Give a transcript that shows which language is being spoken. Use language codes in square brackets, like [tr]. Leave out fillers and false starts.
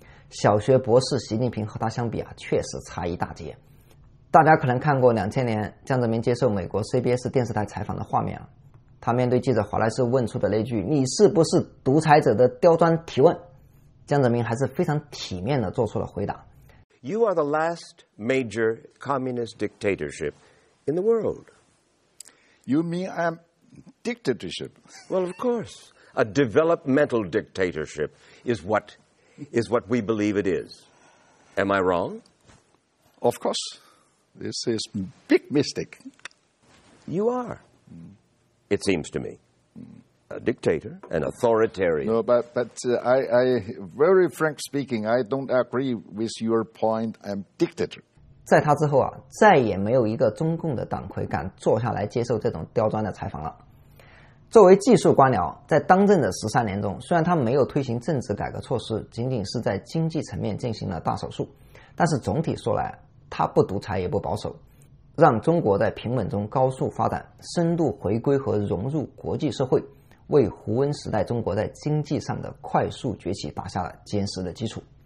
[zh] 小学博士习近平和他相比啊，确实差一大截。大家可能看过2000年江泽民接受美国 CBS 电视台采访的画面，他面对记者华莱士问出的那句你是不是独裁者的刁钻提问，江泽民还是非常体面地做出了回答。 [en] You are the last major communist dictatorship in the world. You mean I'm dictatorship? Well, of course. A developmental dictatorship is what we believe it is. Am I wrong? Of course. This is big mistake. You are, it seems to me. A dictator, an authoritarian. No, but I, very frank speaking, I don't agree with your point. I'm dictator. [zh] 在他之后啊，再也没有一个中共的党魁敢坐下来接受这种刁钻的采访了。作为技术官僚，在当政的13年中，虽然他没有推行政治改革措施，仅仅是在经济层面进行了大手术，但是总体说来，他不独裁也不保守，让中国在平稳中高速发展，深度回归和融入国际社会，为胡温时代中国在经济上的快速崛起打下了坚实的基础。